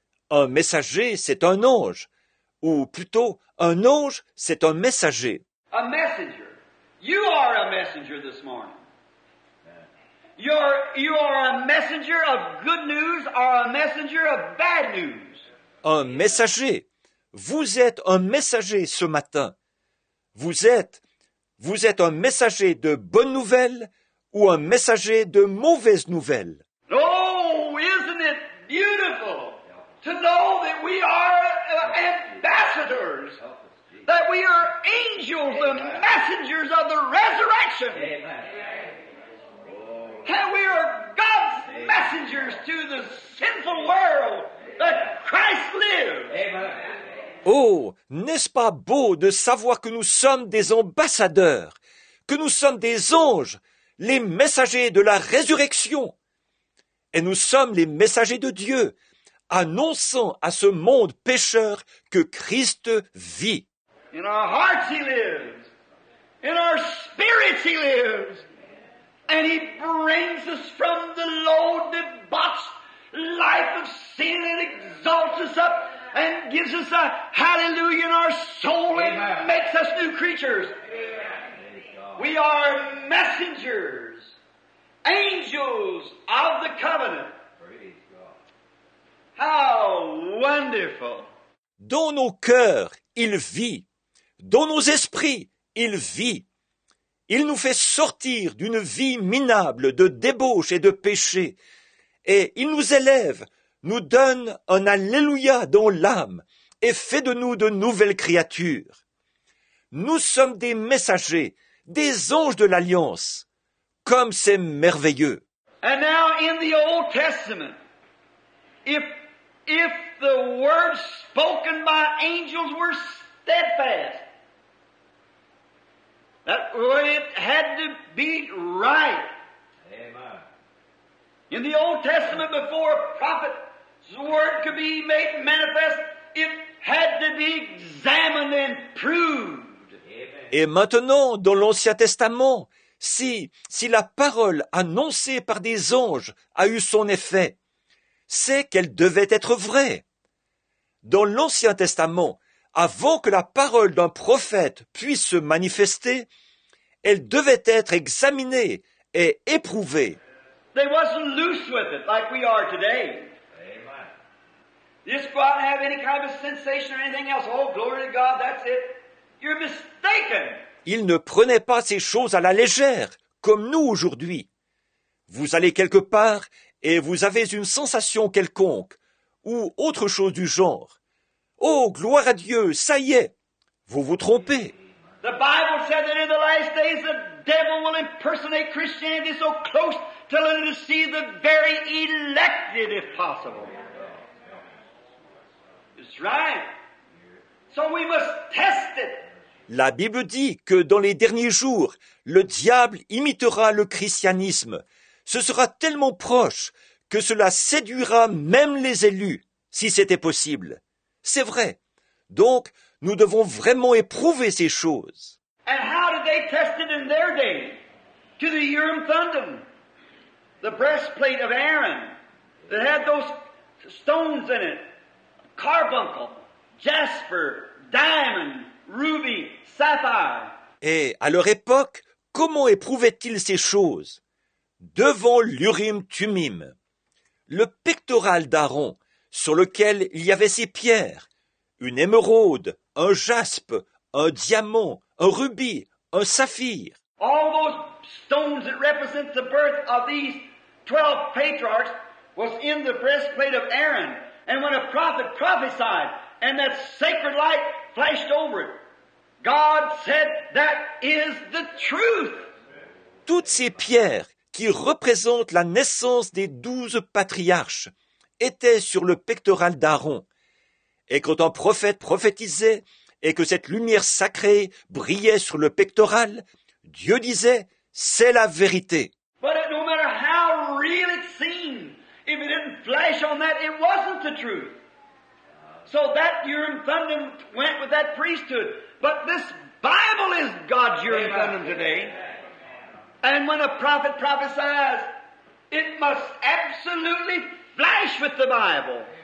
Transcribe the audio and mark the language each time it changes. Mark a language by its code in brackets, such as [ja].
[fr] Un messager, c'est un ange. Ou plutôt, un ange, c'est un messager. [en] A messenger. You are a messenger this morning. You are a messenger of good news or a messenger of bad news. [fr] Un messager. Vous êtes un messager ce matin. Vous êtes un messager de bonnes nouvelles ou un messager de mauvaises nouvelles. [en] Oh, isn't it beautiful to know that we are ambassadors, that we are angels, the messengers of the resurrection. Amen. And we are God's messengers to the sinful world that Christ lives. Amen. [fr] Oh, n'est-ce pas beau de savoir que nous sommes des ambassadeurs, que nous sommes des anges, les messagers de la résurrection. Et nous sommes les messagers de Dieu, annonçant à ce monde pécheur que Christ vit. [en] In our hearts he lives, in our spirits he lives, and he brings us from the low, debauched life of sin and exalts us up. And gives us a hallelujah in our soul. Amen. And makes us new creatures. Amen. We are messengers, angels of the covenant. How wonderful! [fr] Dans nos cœurs, il vit. Dans nos esprits, il vit. Il nous fait sortir d'une vie minable de débauche et de péché. Et il nous élève, nous donne un alléluia dans l'âme et fait de nous de nouvelles créatures. Nous sommes des messagers, des anges de l'Alliance. Comme c'est merveilleux. [en] And now in the Old Testament, if the words spoken by angels were steadfast, that it had to be right. Amen. In the Old Testament before a prophet, the word could be made manifest, it had to be examined and proved. [fr] Et maintenant, dans l'Ancien Testament, si la parole annoncée par des anges a eu son effet, c'est qu'elle devait être vraie. Dans l'Ancien Testament, avant que la parole d'un prophète puisse se manifester, elle devait être examinée et éprouvée. [en] They wasn't loose with it like we are today. Just go out and have any kind of sensation or anything else. Oh, glory to God, that's it. You're mistaken. [fr] Il ne prenait pas ces choses à la légère, comme nous aujourd'hui. Vous allez quelque part et vous avez une sensation quelconque, ou autre chose du genre. Oh, gloire à Dieu, ça y est. Vous vous trompez. [en] The Bible said that in the last days the devil will impersonate Christianity so close till it deceive the very elected, if possible. Right. So we must test it. [fr] La Bible dit que dans les derniers jours, le diable imitera le christianisme. Ce sera tellement proche que cela séduira même les élus, si c'était possible. C'est vrai. Donc, nous devons vraiment éprouver ces choses. [en] And how did they test it in their day? To the Urim Thummim, the breastplate of Aaron, that had those stones in it. Carbuncle, jasper, diamond, ruby, sapphire. [fr] Et à leur époque, comment éprouvaient-ils ces choses? Devant l'Urim Thummim, le pectoral d'Aaron, sur lequel il y avait ses pierres, une émeraude, un jaspe, un diamant, un rubis, un saphir. [en] All those stones that represent the birth of these 12 patriarchs was in the breastplate of Aaron. And when a prophet prophesied and that sacred light flashed over it, God said, that is the truth. [fr] Toutes ces pierres qui représentent la naissance des 12 patriarches étaient sur le pectoral d'Aaron. Et quand un prophète prophétisait et que cette lumière sacrée brillait sur le pectoral, Dieu disait, c'est la vérité. [en] But no matter how real it seemed, if it didn't flash on that, it wasn't the truth. So that Urim Thummim went with that priesthood. But this Bible is God's Urim Thummim today. And when a prophet prophesies, it must absolutely flash with the Bible.